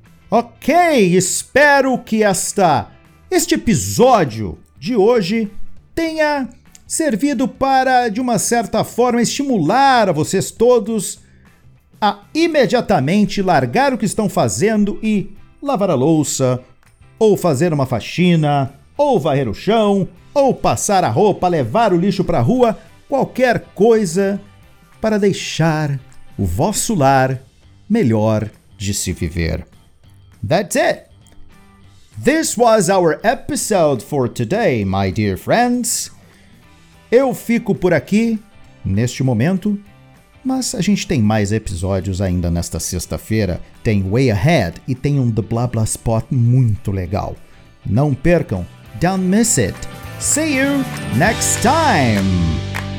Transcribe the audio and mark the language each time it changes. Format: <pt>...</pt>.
<pt>Ok, espero que este episódio de hoje tenha servido para, de uma certa forma, estimular a vocês todos a imediatamente largar o que estão fazendo e lavar a louça, ou fazer uma faxina, ou varrer o chão, ou passar a roupa, levar o lixo para a rua, qualquer coisa para deixar o vosso lar melhor de se viver.</pt> <en>That's it! This was our episode for today, my dear friends.</en> <pt>Eu fico por aqui, neste momento, mas a gente tem mais episódios ainda nesta sexta-feira. Tem Way Ahead e tem um The Blah Blah Spot muito legal. Não percam.</pt> <en>Don't miss it. See you next time.</en>